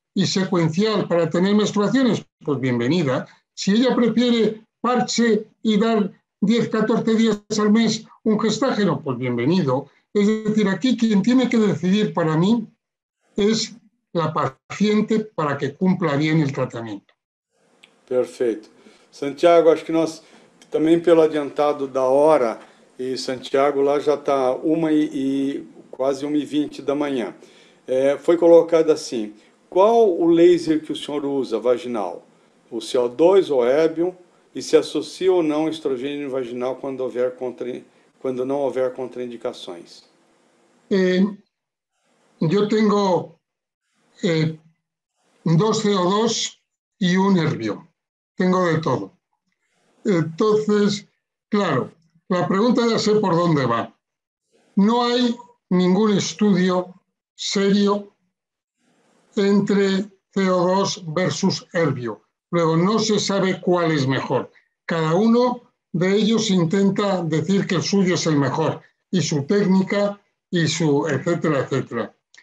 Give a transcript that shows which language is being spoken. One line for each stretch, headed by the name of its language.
Spanish: y secuencial para tener menstruaciones, pues bienvenida. Si ella prefiere parche y dar 10, 14 días al mes un gestágeno, pues bienvenido. Es decir, aquí quien tiene que decidir para mí es la paciente para que cumpla bien el tratamiento. Perfecto.
Portuguese: Santiago, acho que nós, também pelo adiantado da hora, e Santiago lá já está quase 1h20 da manhã. É, foi colocado assim, qual o laser que o senhor usa vaginal? O CO2 ou Ébion? E se associa ou não estrogênio vaginal quando não houver contraindicações? Eu tenho dois CO2 e um Ébion.
Spanish: Tengo de todo. Entonces, claro, la pregunta ya sé por dónde va. No hay ningún estudio serio entre CO2 versus Ébion. Luego, no se sabe cuál es mejor. Cada uno de ellos intenta decir que el suyo es el mejor y su técnica y su etcétera, etcétera.